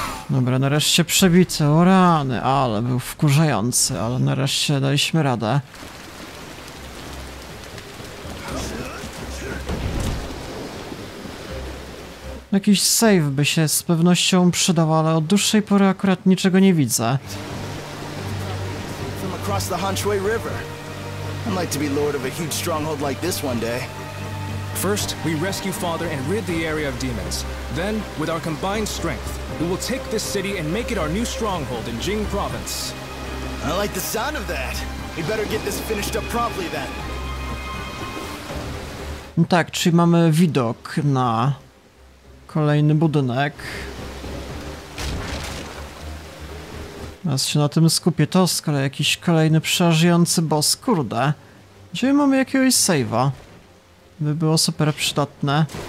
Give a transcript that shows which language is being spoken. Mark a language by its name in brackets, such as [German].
[Polish] Dobra, nareszcie przebity, o rany, ale był wkurzający, ale nareszcie daliśmy radę. Jakiś save by się z pewnością przydał, ale od dłuższej pory akurat niczego nie widzę. [English] From across the Hanshui River. I'd like to be lord of a huge stronghold like this one day. First, we rescue father and rid the area of demons. Then, with our combined strength, we will take this city and make it our new stronghold in Jing province. I like the sound of that. We better get this finished up promptly then. [Polish] No tak, czyli mamy widok na kolejny budynek. Teraz się na tym skupię. To z kolei jakiś kolejny przerażający boss. Kurde. Gdzie mamy jakiegoś save'a? By było super przydatne.